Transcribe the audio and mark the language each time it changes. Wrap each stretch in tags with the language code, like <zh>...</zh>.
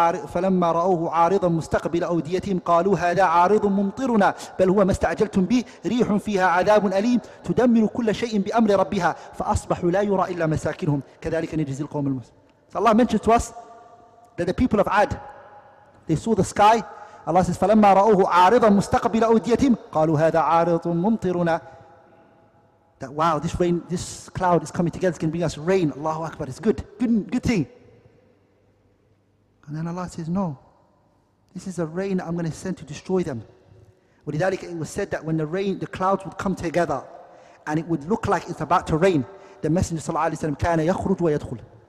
<ar>فلما رأوه عارضا مستقبل أوديتهم قالوا هذا عارض ممطرنا بل هو ما استعجلتم به ريح فيها عذاب أليم تدمر كل شيء بأمر ربها فأصبحوا لا يرى إلا مساكنهم كذلك نجزي القوم المسلمين.</ar> <en>So Allah mentioned to us that the people of Ad, they saw the sky. Allah says</en> <ar>فلما رأوه عارضا مستقبل أوديتهم قالوا هذا عارض ممطرنا.</ar> <en>That wow, this rain, this cloud is coming together, it's going to bring us rain. Allahu Akbar, it's good, good thing. And then Allah says, no, this is a rain I'm going to send to destroy them. ولذلك, it was said that when the rain, the clouds would come together and it would look like it's about to rain, the Messenger sallallahu alayhi wa sallam</en> <ar>كان يخرج ويدخل.</ar>